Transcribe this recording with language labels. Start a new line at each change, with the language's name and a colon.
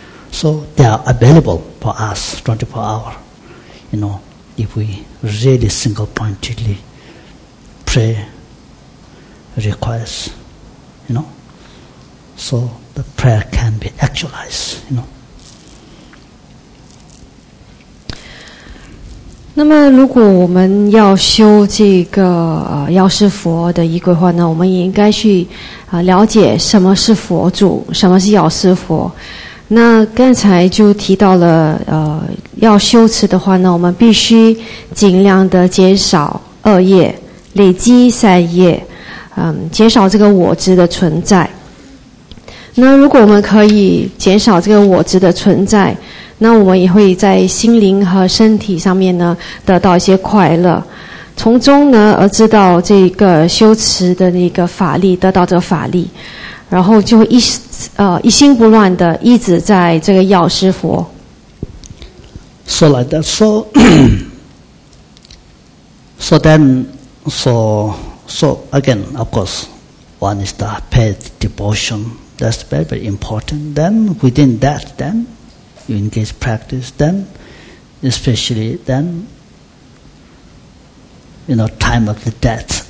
English: So they are available for us, 24 hours. You know, if we really single-pointedly pray, request, you know, so the prayer can be actualized, you know.
Chinese: 那么如果我们要修这个药师佛的仪轨话呢，我们也应该去了解什么是佛祖，什么是药师佛。那刚才就提到了要修持的话呢，我们必须尽量的减少恶业，累积善业，减少这个我执的存在。那如果我们可以减少这个我执的存在，那我们也会在心灵和身体上面呢得到一些快乐，从中呢而知道这个修持的那个法力，得到这个法力，然后就一心不乱的一直在这个药师佛。
English: So like that. So again, of course, one is the paid devotion. That's very, very important. Then within that, then you engage practice. Then, especially then, you know, time of the death.